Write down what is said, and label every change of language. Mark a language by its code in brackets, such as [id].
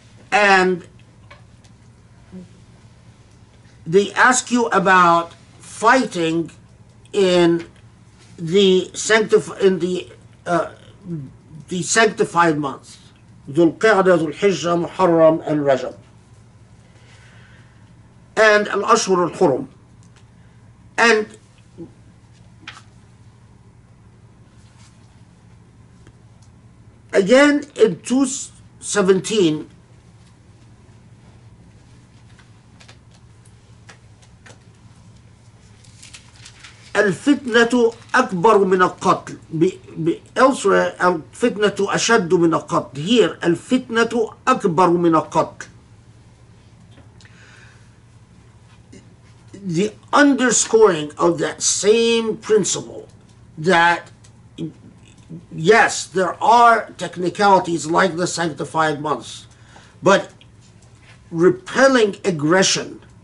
[en] And they ask you about fighting in the sanctified months, Dhul Qa'dah, Dhul Hijjah, Muharram, and Rajab, and Al Ashhur Al Hurum. And again in 2:17, [ar] الفتنة أكبر من القتل. [en] Elsewhere, [ar] الفتنة أشد من القتل. [en] Here, [ar] الفتنة أكبر من القتل. [en] The underscoring of that same principle that, yes, there are technicalities like the sanctified months, but repelling aggression,